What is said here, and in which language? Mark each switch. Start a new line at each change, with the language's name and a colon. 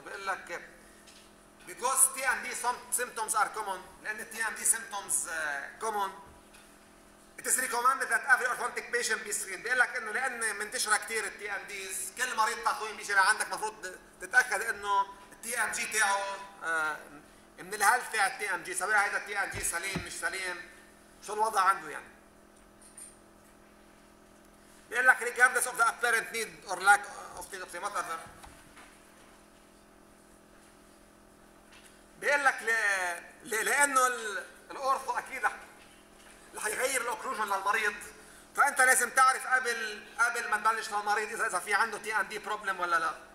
Arabic: بقول لك
English: because T M D symptoms are common
Arabic: لان التي ام دي سيمبتومز كومون
English: It is recommended that every orthodontic patient be screened.
Arabic: بيقول لك انه لان منتشره كثير التي ام ديز كل مريض تقويم بيجي لعندك المفروض تتاكد انه التي ام جي تاعه من الهيلث تاع التي ام جي سواء هذا التي ام جي سليم مش سليم شو الوضع عنده يعني. بيقول لك
English: regardless of the apparent need or lack of the whatever.
Arabic: بيقول لك لانه الاورثو اكيد رح يغير الاوكلوجن للمريض فانت لازم تعرف قبل ما تبلش للمريض اذا في عنده تي ام دي بروبلم ولا لا.